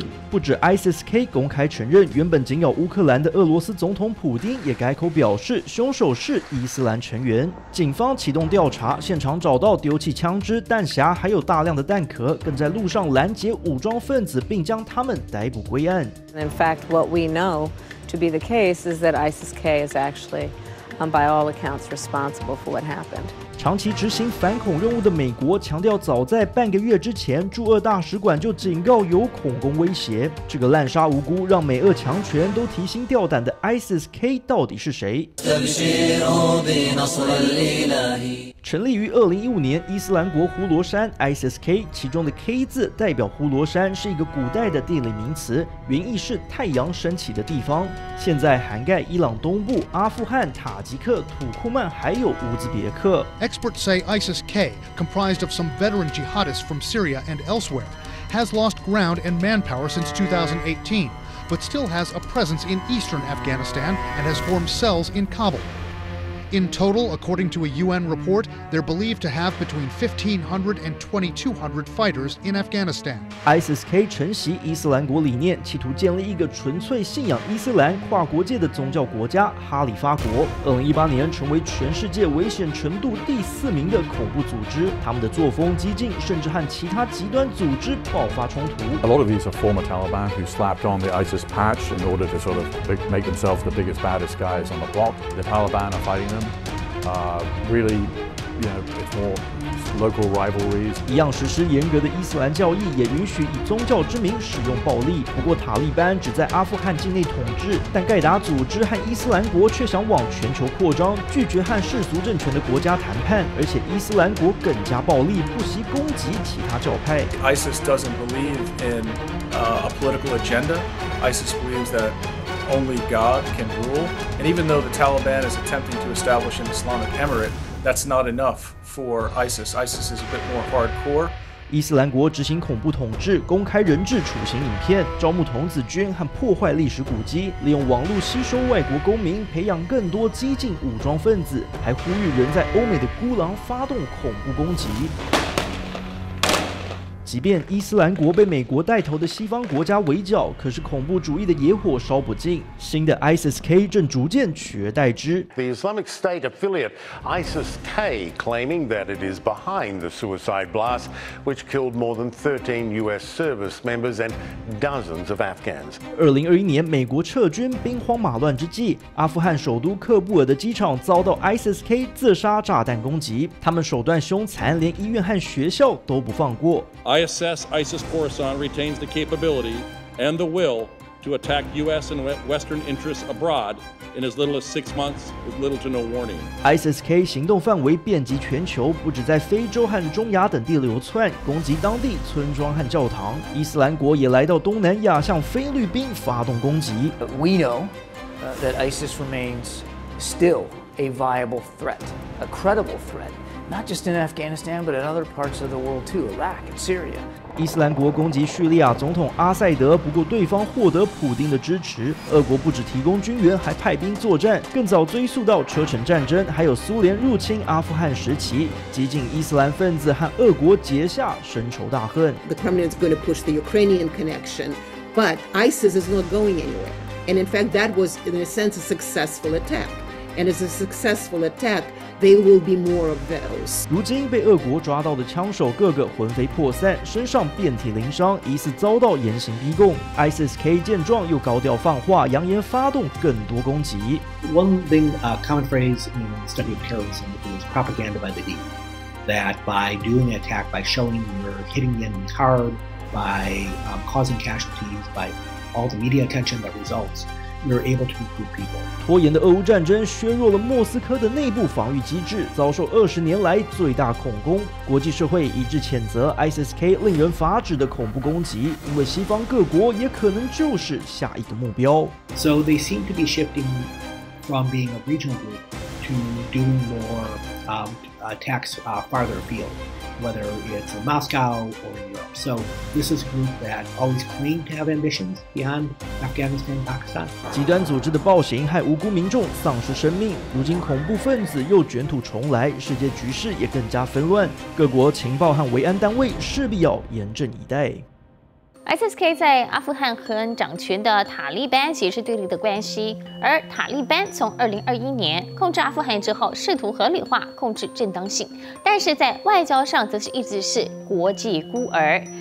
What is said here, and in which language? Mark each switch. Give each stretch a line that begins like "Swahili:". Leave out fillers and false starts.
Chinese: 不止 ISIS-K 公开承认，原本紧咬乌克兰的俄罗斯总统普丁也改口表示凶手是伊斯兰成员。警方启动调查，现场找到丢弃枪支、弹匣，还有大量的弹壳，更在路上拦截武装分子，并将他们逮捕归案。
English: In fact, what we know to be the case is that ISIS-K is actually, by all accounts, responsible for what happened.
Chinese: 长期执行反恐任务的美国强调，早在半个月之前，驻俄大使馆就警告有恐攻威胁。这个滥杀无辜、让美俄强权都提心吊胆的 ISIS-K 到底是谁？成立于2015年，伊斯兰国胡罗山 ISIS-K， 其中的 K 字代表胡罗山，是一个古代的地理名词，原意是太阳升起的地方。现在涵盖伊朗东部、阿富汗、塔吉克、土库曼，还有乌兹别克。
English: Experts say ISIS-K, comprised of some veteran jihadists from Syria and elsewhere, has lost ground and manpower since 2018, but still has a presence in eastern Afghanistan and has formed cells in Kabul. In total, according to a UN report, they're believed to have between 1,500 and 2,200 fighters in Afghanistan.
Chinese: ISIS-K 承袭伊斯兰国理念，企图建立一个纯粹信仰伊斯兰、跨国界的宗教国家——哈里发国。 2018年成为全世界危险程度第四名的恐怖组织。他们的作风激进，甚至和其他极端组织爆发冲突。
English: A lot of these are former Taliban who slapped on the ISIS patch in order to sort of make themselves the biggest, baddest guys on the block. The Taliban are fighting. Really, you know, it's more local rivalries.
Chinese: 一样实施严格的伊斯兰教义，也允许以宗教之名使用暴力。不过，塔利班只在阿富汗境内统治，但盖达组织和伊斯兰国却想往全球扩张，拒绝和世俗政权的国家谈判，而且伊斯兰国更加暴力，不惜攻击其他教派。
English: ISIS doesn't believe in a political agenda. ISIS believes that. Only God can rule. And even though the Taliban is attempting to establish an Islamic emirate, that's not enough for ISIS. ISIS is a bit more hardcore.
Chinese: 伊斯兰国执行恐怖统治，公开人质处刑影片，招募童子军和破坏历史古迹，利用网络吸收外国公民，培养更多激进武装分子，还呼吁人在欧美的孤狼发动恐怖攻击。即便伊斯兰国被美国带头的西方国家围剿，可是恐怖主义的野火烧不尽，新的 ISIS-K 正逐渐取而代之。
English: The Islamic State affiliate ISIS-K claiming that it is behind the suicide blast which killed more than 13 US service members and dozens of Afghans.
Chinese: 2021年美国撤军，兵荒马乱之际，阿富汗首都喀布尔的机场遭到 ISIS-K 自杀炸弹攻击，他们手段凶残，连医院和学校都不放过。
English: ISS ISIS Khorasan retains the capability and the will to attack US and Western interests abroad in as little as 6 months with little to no warning.
Chinese: ISIS-K 行动范围遍及全球，不止在非洲和中亚等地流窜，攻击当地村庄和教堂。伊斯兰国也来到东南亚，向菲律宾发动攻击。
English: We know that ISIS remains still a viable threat, a credible threat. Not just in Afghanistan, but in other parts of the world too, Iraq and Syria.
Chinese: 伊斯兰国攻击叙利亚总统阿塞德，不过对方获得普丁的支持。俄国不止提供军援，还派兵作战，更早追溯到车臣战争，还有苏联入侵阿富汗时期，激进伊斯兰分子和俄国结下深仇大恨。
English: The Kremlin is going to push the Ukrainian connection, but ISIS is not going anywhere. And in fact, that was, in a sense, a successful attack. And as a successful attack. They will be more of those.
Chinese: 如今被俄国抓到的枪手个个魂飞魄散，身上遍体鳞伤，疑似遭到严刑逼供。 ISIS-K 见状又高调放话，扬言发动更多攻击。
English: One thing, common phrase in the study of terrorism is propaganda by the deed. That by doing an attack, by showing you're hitting the enemy hard, by causing casualties, by all the media attention that results. You're able to recruit people.
Chinese: 拖延的俄乌战争削弱了莫斯科的内部防御机制，遭受20年来最大恐攻。国际社会一致谴责 ISIS-K 令人发指的恐怖攻击，因为西方各国也可能就是下一个目标。
English: So they seem to be shifting from being a regional group to to do more attacks farther afield, whether it's in Moscow or in Europe. So this is a group that always claimed to have ambitions beyond Afghanistan and Pakistan.
Chinese: 极端组织的暴行害无辜民众丧失生命，如今恐怖分子又卷土重来，世界局势也更加纷乱，各国情报和维安单位势必要严阵以待。 ISIS-K 在阿富汗和掌权的塔利班也是对立的关系，而塔利班从2021年控制阿富汗之后试图合理化控制正当性，但是在外交上则是一直是国际孤儿。